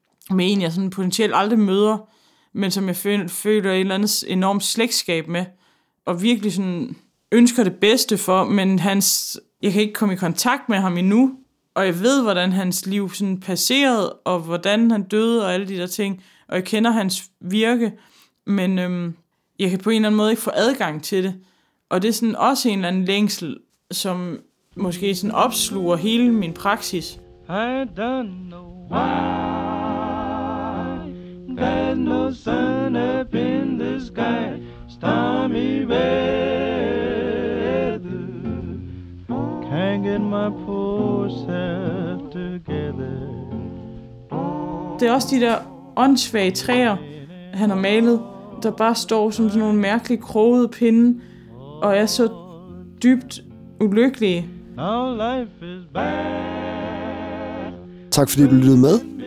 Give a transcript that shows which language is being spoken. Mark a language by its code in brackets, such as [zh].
[da] med en, jeg sådan potentielt aldrig møder, men som jeg føler et eller andet enormt slægtskab med, og virkelig sådan ønsker det bedste for, men hans, jeg kan ikke komme i kontakt med ham endnu, og jeg ved, hvordan hans liv sådan passerede, og hvordan han døde, og alle de der ting, og jeg kender hans virke, men jeg kan på en eller anden måde ikke få adgang til det. Og det er sådan også en eller anden længsel, som måske sådan opsluger hele min praksis. [en] I don't know why there's no sun up in the sky, stormy weather, can't get my poor self together. [da] Det er også de der åndssvage træer, han har malet, der bare står som sådan nogle mærkelige krogede pinde, og er så dybt ulykkelige. Tak fordi du lyttede med.